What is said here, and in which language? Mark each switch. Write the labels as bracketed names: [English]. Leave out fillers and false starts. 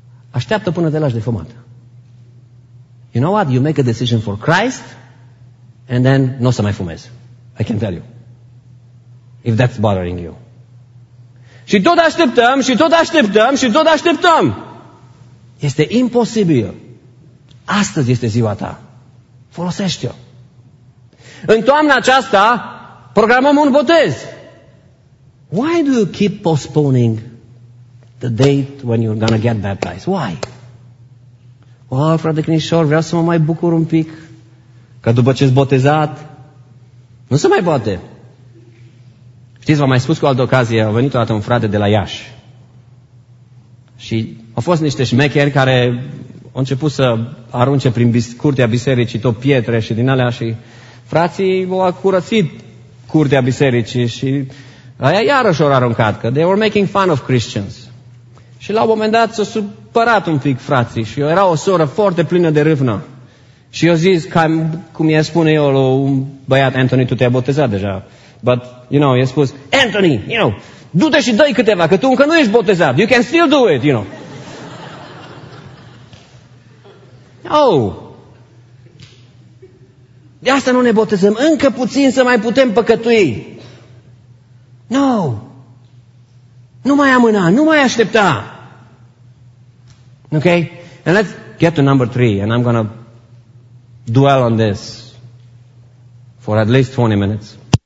[Romanian] Așteaptă până te lași de fumat. [English] You know what? You make a decision for Christ, and then [Romanian] n-o să mai fumez. [English] I can tell you. If that's bothering you. [Romanian] Și tot așteptăm, și tot așteptăm, și tot așteptăm. Este imposibil. Astăzi este ziua ta. Folosește-o. În toamna aceasta, programăm un botez. [English] Why do you keep postponing the date when you're gonna get baptized? Why? [Romanian] Oh, frate Crinișor, vreau să mă mai bucur un pic, că după ce-s botezat, nu se mai poate. Știți, v-am mai spus cu altă ocazie, a venit o dată un frate de la Iași. Și au fost niște șmecheri care au început să arunce prin curtea bisericii tot pietre și din alea și frații au curățit curtea bisericii și aia iarăși au aruncat, că [English] they were making fun of Christians. [Romanian] Și la un moment dat s-au supărat un pic frații și era o soră foarte plină de râvnă. Și eu zis, cum i-a spune eu la un băiat, Anthony, tu te-ai botezat deja. [English] But, you know, [Romanian] i-a spus, Anthony, [English] you know, [Romanian] du-te și dă-i câteva, că tu încă nu ești botezat. [English] You can still do it, you know. Oh. [Romanian] De asta nu ne botezăm. Încă puțin să mai putem păcătui. No. Nu mai amâna, nu mai aștepta. [English] Ok? And let's get to number 3. And I'm gonna dwell on this for at least 20 minutes.